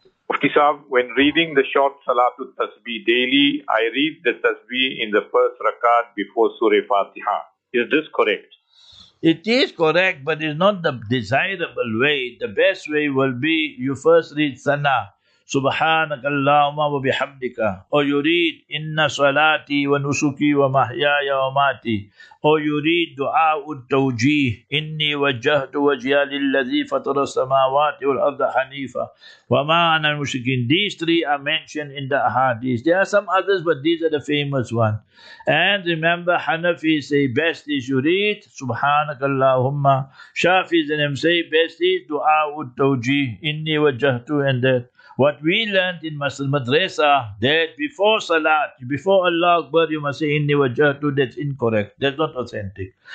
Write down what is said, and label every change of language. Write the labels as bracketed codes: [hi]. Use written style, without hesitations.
[en] Mufti Sahib, when reading the short Salatul Tasbih daily, I read the Tasbih in the first rakat before Surah Fatiha. Is this correct? It is correct, but it's not the desirable way. The best way will be you first read Sana. [ar] سبحانك اللهم وبحمدك او يريد ان صلاتي ونسكي ومحياي وماتي او يريد دعاء التوجيه اني وجهت وجهي للذي فطر السماوات والارض حنيفا وما انا المشركين. [en] These three are mentioned in the hadith. There are some others, but these are the famous ones. And remember, Hanafi say best is yureed [ar] سبحانك اللهم. [en] Shafi say best is [ar] دعاء التوجيه اني وجهت [en] and that. What we learned in Masjid Madrasa, that before Salat, before Allah Akbar, you must say Inni Wajhtu, that's incorrect, that's not authentic.